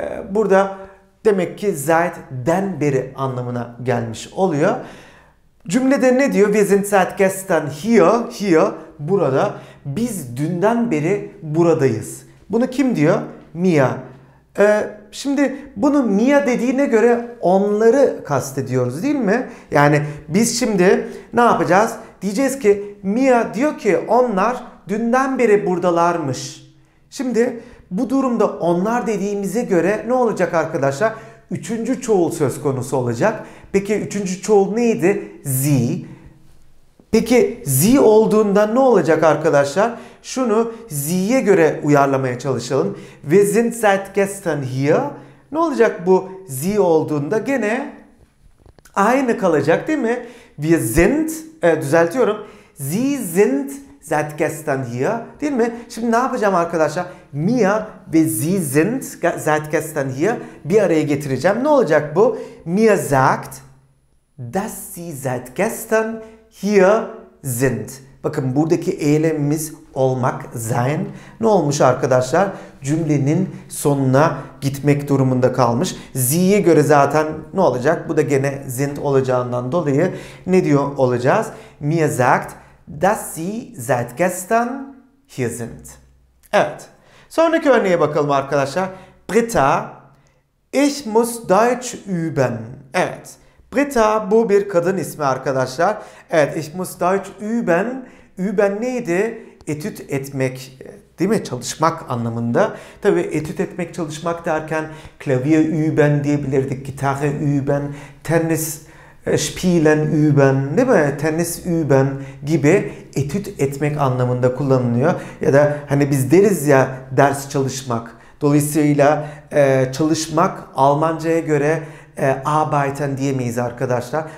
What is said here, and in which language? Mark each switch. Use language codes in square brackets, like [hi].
[tr] Burada demek ki seit'den beri anlamına gelmiş oluyor. Cümlede ne diyor? [de] Wir sind seit gestern hier, burada. [tr] Biz dünden beri buradayız. Bunu kim diyor? Mia. Şimdi bunu Mia dediğine göre onları kastediyoruz, değil mi? Yani biz şimdi ne yapacağız? Diyeceğiz ki Mia diyor ki onlar dünden beri buradalarmış. Şimdi bu durumda onlar dediğimize göre ne olacak arkadaşlar? Üçüncü çoğul söz konusu olacak. Peki üçüncü çoğul neydi? Sie. Peki sie olduğunda ne olacak arkadaşlar? Şunu sie'ye göre uyarlamaya çalışalım. [de] Wir sind seit gestern hier. [tr] Ne olacak bu sie olduğunda? Gene aynı kalacak, değil mi? [de] Wir sind, düzeltiyorum. Sie sind seit gestern hier, [tr] değil mi? Şimdi ne yapacağım arkadaşlar? Mia ve [de] sie sind seit gestern hier [tr] bir araya getireceğim. Ne olacak bu? [de] Mia sagt, dass sie seit gestern hier sind. [tr] Bakın buradaki eylemimiz olmak, sein. Ne olmuş arkadaşlar? Cümlenin sonuna gitmek durumunda kalmış. Sie'ye göre zaten ne olacak? Bu da gene sind olacağından dolayı ne diyor olacağız? [de] Mia sagt, dass sie seit gestern hier sind. [tr] Evet. Sonraki örneğe bakalım arkadaşlar. [de] Britta, ich muss Deutsch üben. [tr] Evet. Britta bu bir kadın ismi arkadaşlar. [de] Evet, ich muss Deutsch üben. [tr] Üben neydi? Etüt etmek, değil mi? Çalışmak anlamında. Tabii etüt etmek, çalışmak derken klavye üben diyebilirdik, gitarı üben, tennis spielen üben, değil mi? Tennis üben gibi etüt etmek anlamında kullanılıyor. Ya da hani biz deriz ya ders çalışmak. Dolayısıyla çalışmak Almanca'ya göre arbeiten diyemeyiz arkadaşlar.